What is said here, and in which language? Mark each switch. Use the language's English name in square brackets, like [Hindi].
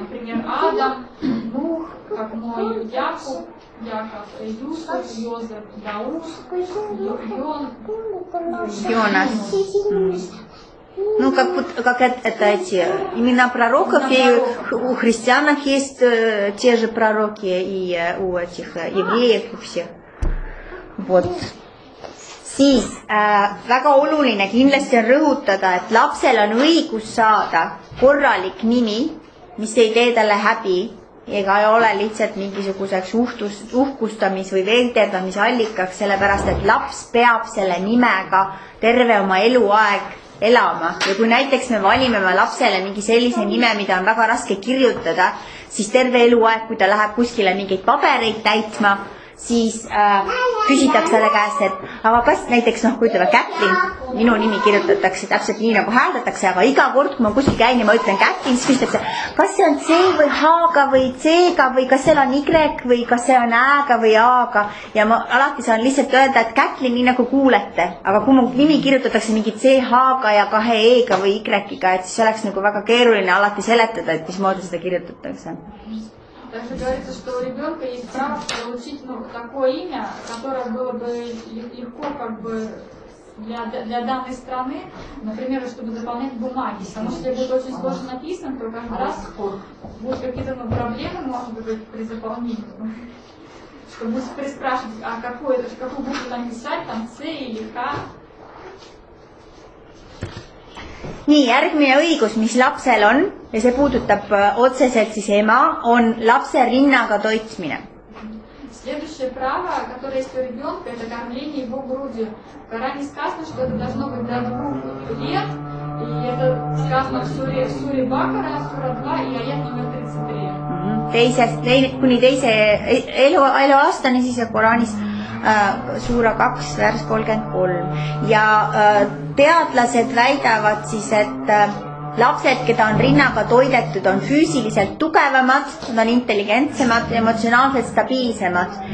[Russian] Например, Адам, Нух, как мой Яков, Юсов, Йозеф, Дауд, Йон, Йонас. Ну, как это эти имена пророков, и у христиан есть те же пророки, и у этих евреев, у всех. Вот. [Estonian] Siis väga oluline kindlasti on rõhutada, et lapsel on õigus saada korralik nimi, mis ei tee talle häbi ega ole lihtsalt mingisuguseks uhkustamis või veeldedamis allikaks, sellepärast, et laps peab selle nimega terve oma eluaeg elama. Ja kui näiteks me valime lapsele mingi sellise nime, mida on väga raske kirjutada, siis terve eluaeg, kui ta läheb kuskile mingid pabereid täitma, siis küsitakse selle käest, et aga kas näiteks, noh, kui ütleme Kätlin, minu nimi kirjutatakse täpselt nii nagu hääldatakse, aga iga kord, kui ma kuski käin ja ma ütlen Kätlin, siis küsitakse, kas see on C või H-ga või C-ga või kas see on Y või kas see on A-ga või A-ga ja ma alati saan lihtsalt öelda, et Kätlin nii nagu kuulete, aga kui mu nimi kirjutatakse mingi CH-ga ja kahe E-ga või Y-ga, et siis oleks nagu väga keeruline alati seletada, et mis moodi seda kirjutatakse. [Russian] Также говорится, что у ребенка есть право получить такое имя, которое было бы легко как бы для данной страны, например, чтобы заполнять бумаги. Потому что если будет очень сложно написано, то каждый раз будут какие-то проблемы, может быть, при заполнении. Чтобы приспрашивать, а какую это же какую букву там писать, там С или Х. [Estonian] Nii, järgmine õigus, mis lapsel on ja see puudutab otseselt siis ema, on lapse rinnaga toitmine. [Russian] Следующее право, которое есть у ребенка, это кормление его грудью. Ранее сказано, что это должно быть до 2 лет, и это сказано в суре Бакара, сура 2 и аят номер 33. [Estonian] teises, kuni teise eluaastane siis ja Koraanis suura 2, värs 33. Ja teadlased väidavad siis, et lapsed, keda on rinnaga toidetud, on füüsiliselt tugevamad, nad on intelligentsemad, emotsionaalselt stabiilsemad.